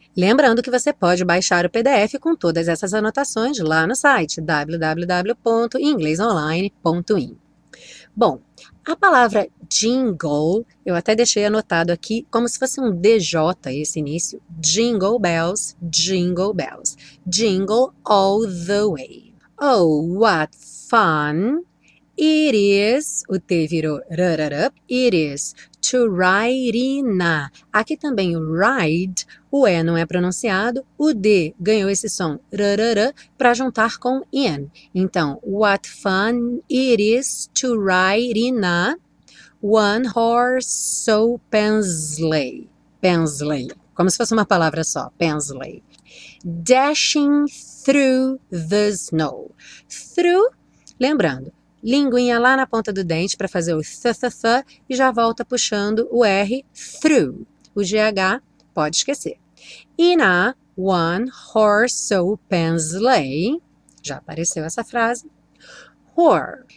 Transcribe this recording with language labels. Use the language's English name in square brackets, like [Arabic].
[Portuguese] Lembrando que você pode baixar o PDF com todas essas anotações lá no site www.inglesonline.in. Bom, a palavra jingle, eu até deixei anotado aqui como se fosse um DJ esse início: [English] jingle bells, jingle bells, jingle all the way. Oh, what fun it is, [Portuguese] o T virou rarara, [English] it is to ride in a. [Portuguese] Aqui também o ride, o E não é pronunciado, o D ganhou esse som rarara para juntar com in. [English] Então, what fun it is to ride in a one horse open sleigh. [Portuguese] Pensley, como se fosse uma palavra só, Pensley. [English] Dashing through the snow. [Portuguese] Through, lembrando, linguinha lá na ponta do dente para fazer o th e já volta puxando o R through. O GH pode esquecer. [English] In a one horse open sleigh, [Portuguese] já apareceu essa frase. Whore.